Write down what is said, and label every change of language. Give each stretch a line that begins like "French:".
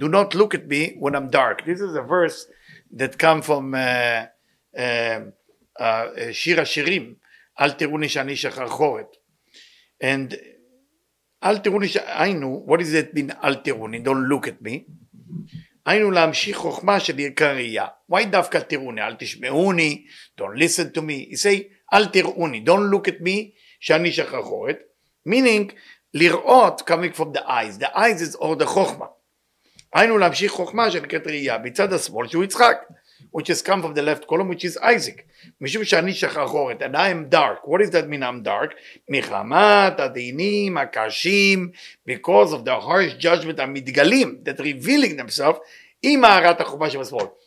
English: Do not look at me when I'm dark. This is a verse that comes from Shir HaShirim.
Hebrew: אל תראו לי שאני שחרחורת.
English: And
Hebrew: אל תראו לי שאינו,
English: what does that mean,
Hebrew: אל תראו לי,
English: don't look at me.
Hebrew: אינו להמשיך חוכמה של עיקריה.
English: Why
Hebrew: דווקא תראו לי, אל תשמעו לי,
English: don't listen to me. He say,
Hebrew: אל תראו לי,
English: don't look at me,
Hebrew: שאני שחרחורת.
English: Meaning, לראות coming from the eyes. The eyes is all the חוכמה.
Hebrew: אינו להמשיך חוכמה של עיקריה, בצד השמאל שהוא יצחק.
English: Which has come from the left column, which is Isaac.
Hebrew: משום שאני שחרחורת,
English: and I am dark. What does that mean, I'm dark?
Hebrew: מחמת, הדינים, הקשים,
English: because of the harsh judgment,
Hebrew: המתגלים,
English: that revealing themselves,
Hebrew: עם הערת החוכמה שבשמאל.